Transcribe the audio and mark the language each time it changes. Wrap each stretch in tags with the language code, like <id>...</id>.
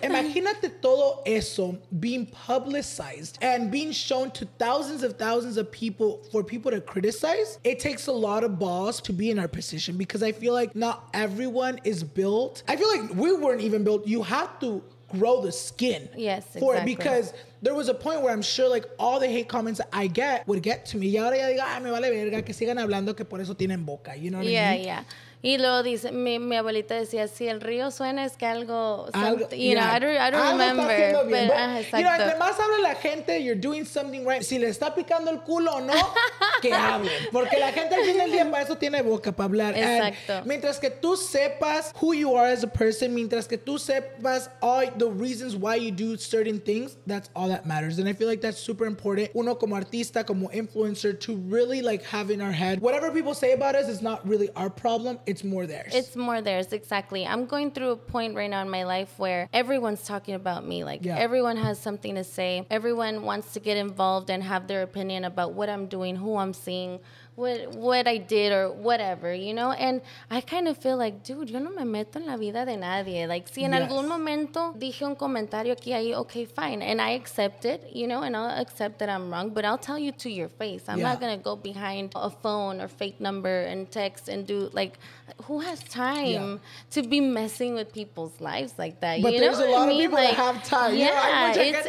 <es>Imagínate todo eso</es> <en>being publicized and being shown to thousands of people for people to criticize. It takes a lot of balls to be in our position because I feel like not everyone is built. I feel like we weren't even built. You have to grow the skin. Yes, for exactly. It because there was a point where I'm sure like all the hate comments I get would get to me.</en> <es>Y ahora ya digo, ah, me vale verga que sigan hablando que por eso tienen boca.</es> <en>You know what yeah, I mean?</en> <es>Yeah, yeah. Y luego dice, mi abuelita decía, si el río suena es que algo,</es> <en>I don't remember.</en> <es>Algo está haciendo bien. But, entre más habla la gente,</es> <en>you're doing something right.</en> <es>Si le está picando el culo o no, que hablen. Porque la gente al fin del día para eso tiene boca para hablar. Exacto.</es> <en>And</en> <es>mientras que tú sepas</es> <en>who you are as a person, mientras que tú sepas all the reasons why you do certain things, that's all that matters. And I feel like that's super important.</en> <es>Uno como artista, como influencer,</es> <en>to really like have in our head, whatever people say about us is not really our problem. It's more theirs. It's more theirs, exactly. I'm going through a point right now in my life where everyone's talking about me. Like, everyone has something to say. Everyone wants to get involved and have their opinion about what I'm doing, who I'm seeing, what I did or whatever, you know? And I kind of feel like, dude,</en> <es>yo no me meto en la vida de nadie.</es> <en>Like, si en algún momento dije un comentario aquí, ahí, okay, fine. And I accept it, you know, and I'll accept that I'm wrong, but I'll tell you to your face. I'm not going to go behind a phone or fake number and text and do, like, who has time to be messing with people's lives like that? But you know what I mean? But there's a lot of people that have time. Yeah, you know, it's</en>